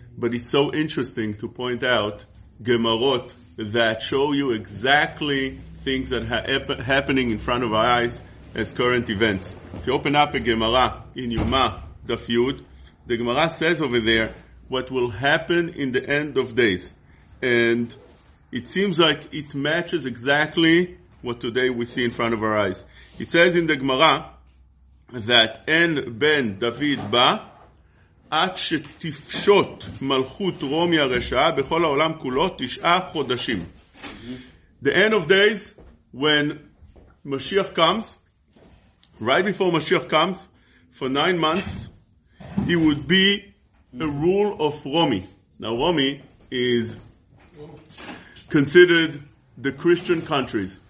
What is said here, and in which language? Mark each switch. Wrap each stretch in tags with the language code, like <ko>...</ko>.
<en>But it's so interesting to point out gemarot that show you exactly things that are happening in front of our eyes as current events. If you open up a gemara in Yuma, the feud, the gemara says over there what will happen in the end of days. And it seems like it matches exactly what today we see in front of our eyes. It says in the gemara that</en> <he>En ben David ba, עד שתפשוט מלכות רומי הרשעה בכל העולם כולו תשעה חודשים.</he> <en>The end of days, when Mashiach comes, right before Mashiach comes, for 9 months, it would be a rule of Romi. Now Romi is considered the Christian countries.</en>